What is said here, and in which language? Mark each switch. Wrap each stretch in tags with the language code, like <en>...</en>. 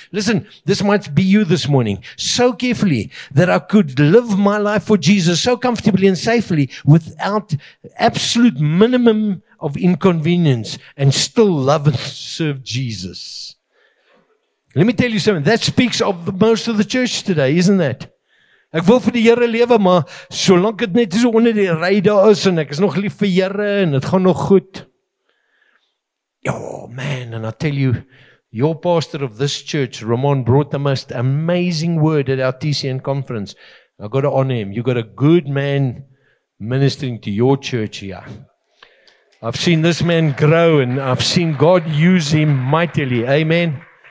<en>Listen, this might be you this morning. So carefully that I could live my life for Jesus so comfortably and safely without absolute minimum of inconvenience and still love and serve Jesus. Let me tell you something. That speaks of most of the church today, isn't that?</en> <af>Ek wil vir die Here lewe, maar solank dit net so onder die radar is en ek is nog lief vir Here en dit gaan nog goed.</af> <en>Oh man, and I tell you, your pastor of this church, Ramon, brought the most amazing word at our TCN conference. I've got to honor him. You got a good man ministering to your church here. I've seen this man grow and I've seen God use him mightily. Amen.</en>